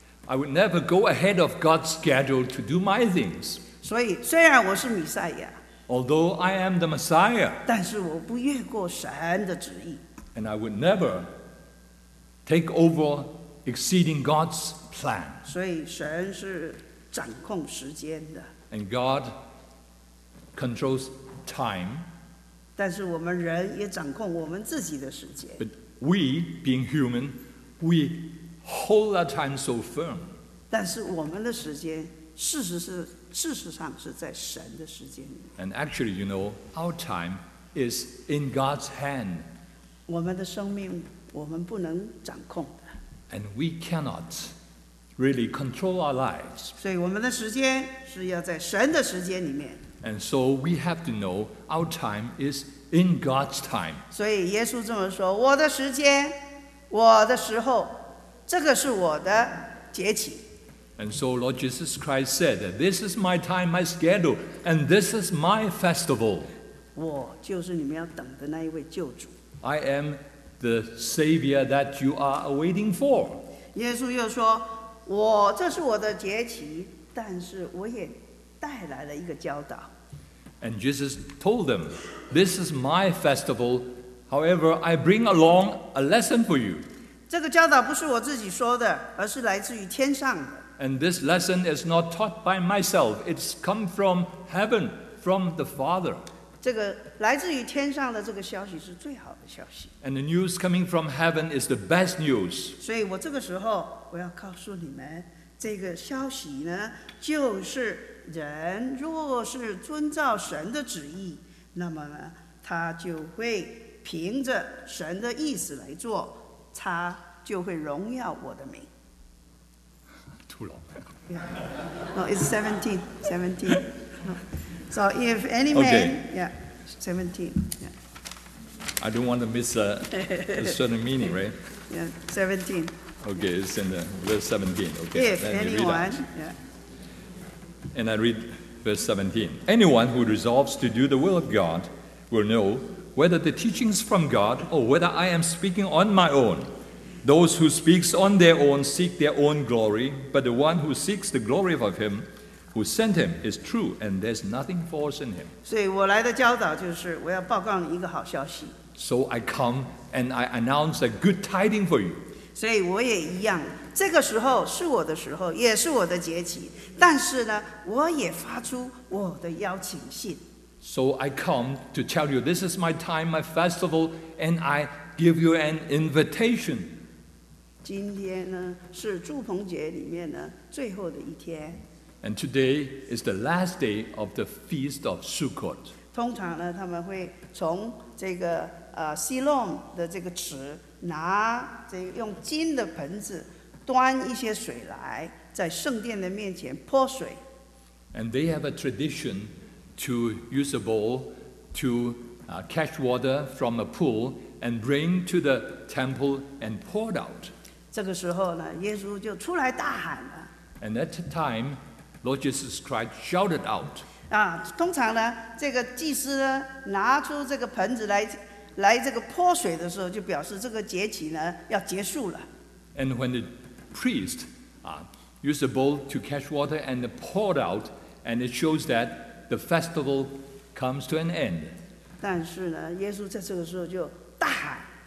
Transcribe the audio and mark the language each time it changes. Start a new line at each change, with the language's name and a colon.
English: I would never go ahead of God's schedule to do my things.
Chinese: 所以，虽然我是弥赛亚
English: ，although I am the Messiah，
Chinese: 但是我不越过神的旨意。
English: And I would never take over exceeding God's plan.
Chinese: 所以，神是掌控时间的。
English: And God controls time,
Chinese: 但是我们人也掌控我们自己的时间。
English: But we, being human, we hold our time so firm.
Chinese: 但是我们的时间，事实上是在神的时间里。
English: And actually, you know, our time is in God's hand.
Chinese: 我们的生命，我们不能掌控的。
English: And we cannot really control our lives.
Chinese: 所以我们的时间是要在神的时间里面。
English: And so we have to know our time is in God's time.
Chinese: 所以耶稣这么说，我的时间，我的时候，这个是我的节期。
English: And so Lord Jesus Christ said that this is my time, my schedule, and this is my festival.
Chinese: 我就是你们要等的那一位救主。
English: I am the Savior that you are awaiting for.
Chinese: 耶稣又说，我，这是我的节期，但是我也带来了一个教导。
English: And Jesus told them, this is my festival, however, I bring along a lesson for you.
Chinese: 这个教导不是我自己说的，而是来自于天上的。
English: And this lesson is not taught by myself, it's come from heaven, from the Father.
Chinese: 这个来自于天上的这个消息是最好的消息。
English: And the news coming from heaven is the best news.
Chinese: 所以我这个时候我要告诉你们，这个消息呢，就是人若是遵照神的旨意，那么呢，他就会凭着神的意思来做，他就会荣耀我的名。
English: Too long. Yeah. No, it's 17. So if any man, okay. Yeah, 17. Yeah. I don't want to miss a certain meaning, right? Yeah, 17. Okay, it's in the verse 17. Okay. If anyone, yeah. And I read verse 17. Anyone who resolves to do the will of God will know whether the teaching is from God or whether I am speaking on my own. Those who speak on their own seek their own glory, but the one who seeks the glory of him who sent him is true, and there's nothing false in him.
Chinese: 所以我来的教导就是我要报告你一个好消息。
English: So I come and I announce a good tidings for you.
Chinese: 所以我也一样，这个时候是我的时候，也是我的节期，但是呢，我也发出我的邀请信。
English: So I come to tell you this is my time, my festival, and I give you an invitation.
Chinese: 今天呢，是祝棚节里面呢，最后的一天。
English: And today is the last day of the Feast of Sukkot.
Chinese: 通常呢，他们会从这个西隆的这个池拿这个用金的盆子端一些水来，在圣殿的面前泼水。
English: And they have a tradition to use a bowl to catch water from a pool and bring to the temple and pour out.
Chinese: 这个时候呢，耶稣就出来大喊了。
English: And at the time, Lord Jesus Christ shouted out.
Chinese: 啊，通常呢，这个祭司呢拿出这个盆子来这个泼水的时候，就表示这个节期呢要结束了。
English: And when the priest used a bowl to catch water and poured out, and it shows that the festival comes to an end.
Chinese: 但是呢，耶稣在这个时候就大喊。